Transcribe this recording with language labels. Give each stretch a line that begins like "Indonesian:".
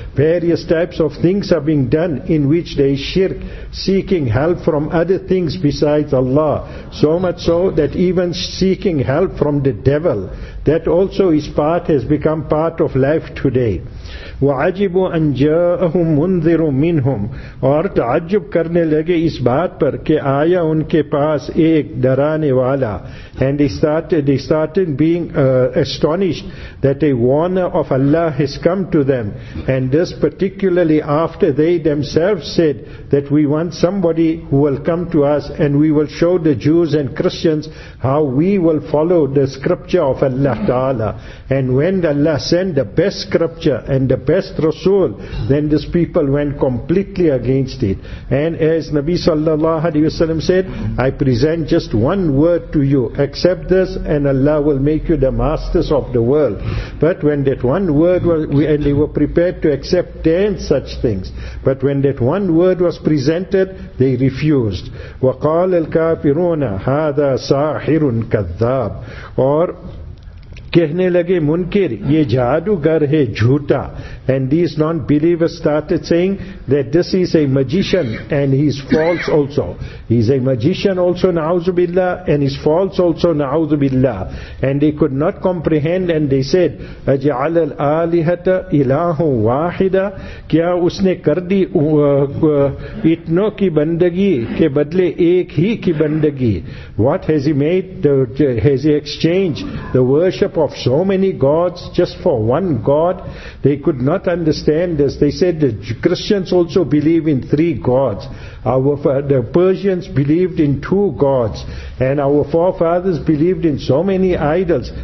English: Various types of things are being done in which they shirk, seeking help from other things besides Allah. So much so that even seeking help from the devil, that also is part, has become part of life today.
Arabic: وَعَجِبُ أَنْ جَاءَهُمْ مُنذِرٌ مِّنْهُمْ.
Urdu: اور تعجب کرنے لگے اس بات پر کہ آیا ان کے پاس ایک ڈرانے والا.
English: And they started being astonished that a warner of Allah has come to them. And this particularly after they themselves said that we want somebody who will come to us and we will show the Jews and Christians how we will follow the scripture of Allah Ta'ala. And when Allah sent the best scripture and the best Rasul, then these people went completely against it. And as Nabi Sallallahu Alaihi Wasallam said, I present just one word to you. Accept this and Allah will make you the masters of the world. But when that one word was, and they were prepared to accept 10 such things, but when that one word was presented, they refused.
Arabic: وَقَالَ الْكَافِرُونَ هَذَا سَاحِرٌ كَذَّابٌ.
Urdu: Or کہنے لگے منکر یہ جادوگر ہے جھوٹا.
English: And these non-believers started saying that this is a magician and he is false also. He is a magician also, na'udhu billah, and he is false also, na'udhu billah. And they could not comprehend and they said,
Arabic: اَجْعَلَ الْآلِهَةَ إِلَاهُ وَاحِدَ.
Urdu: کیا اس نے کر دی اتنوں کی بندگی کے بدلے ایک ہی کی بندگی.
English: What has he made? Has he exchanged the worship of so many gods just for one god? They could not understand this. They said the Christians also believe in three gods. The Persians believed in two gods. And our forefathers believed in so many idols.